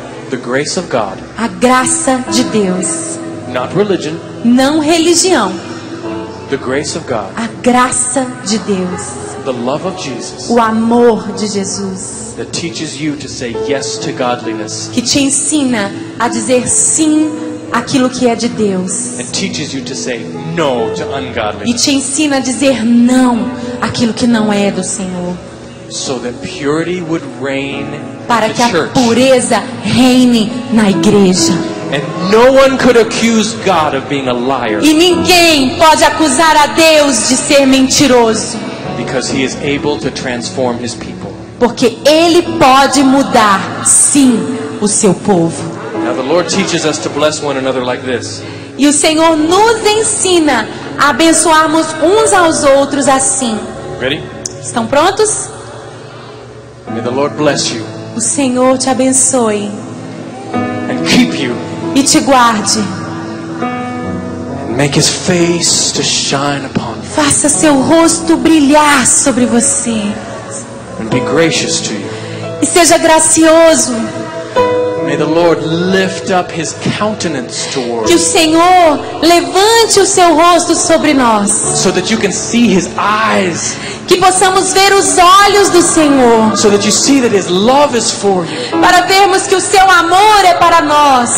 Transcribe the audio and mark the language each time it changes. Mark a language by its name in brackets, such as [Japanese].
[English] The grace of God. [Portuguese] A graça de Deus. [English] Not religion. [Portuguese] Não religião. [English] The grace of God. [Portuguese] A graça de Deus. [English] The love of Jesus. [Portuguese] O amor de Jesus. [English] That teaches you to say yes to godliness. [Portuguese] Que te ensina a dizer sim aquilo que é de Deus. [English] And teaches you to say no to ungodliness. [Portuguese] E te ensina a dizer não aquilo que não é do Senhor. [English] So that purity would reign [Portuguese] para [English] in the [Portuguese] que a pureza [English] church. [Portuguese] Reine na igreja. [English] And no one could accuse God of being a liar. [Portuguese] E ninguém pode acusar a Deus de ser mentiroso. [English] Because he is able to transform his people. [Portuguese] Porque ele pode mudar sim o seu povo. [English] Now the Lord teaches us to bless one another like this. [Portuguese] E o Senhor nos ensina a abençoarmos uns aos outros assim. [English] Ready? [Portuguese] Estão prontos? [English] May the Lord bless you. [Portuguese] O Senhor te abençoe. [English] And keep you. [Portuguese] E te guarde. [English] And make his face to shine upon you. [Portuguese] Faça seu rosto brilhar sobre você. [English] And be gracious to you. [Portuguese] E seja gracioso. [English] May May the Lord lift up his countenance towards. [Portuguese] Que o Senhor levante o seu rosto sobre nós. [English] So that you can see his eyes. [Portuguese] Que possamos ver os olhos do Senhor. [English] So that you see that his love is for you. [Portuguese] Para vermos que o seu amor é para nós.